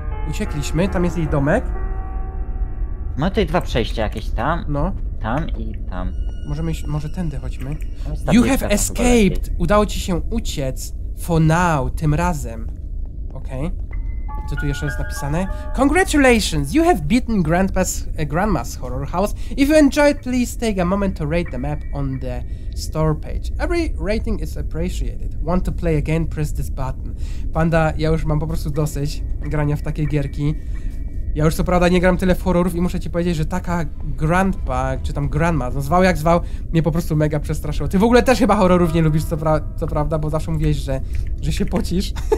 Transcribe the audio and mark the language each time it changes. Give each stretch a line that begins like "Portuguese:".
Polish: Uciekliśmy, tam jest jej domek. Mamy tutaj dwa przejścia jakieś tam, no, tam i tam. Możemy iść, może tędy chodźmy.
English: You have escaped!
Polish: Udało ci się uciec.
English: For now,
Polish: tym razem. Okej. Okay. Co tu jeszcze jest napisane?
English: Congratulations! You have beaten grandma's horror house. If you enjoyed, please take a moment to rate the map on the store page. Every rating is appreciated. Want to play again? Press this button.
Polish: Panda, ja już mam po prostu dosyć grania w takie gierki. Ja już co prawda nie gram tyle w horrorów i muszę ci powiedzieć, że taka grandpa, czy tam grandma, no zwał jak zwał, mnie po prostu mega przestraszyło. Ty w ogóle też chyba horrorów nie lubisz, co prawda, bo zawsze mówiłeś, że się pocisz.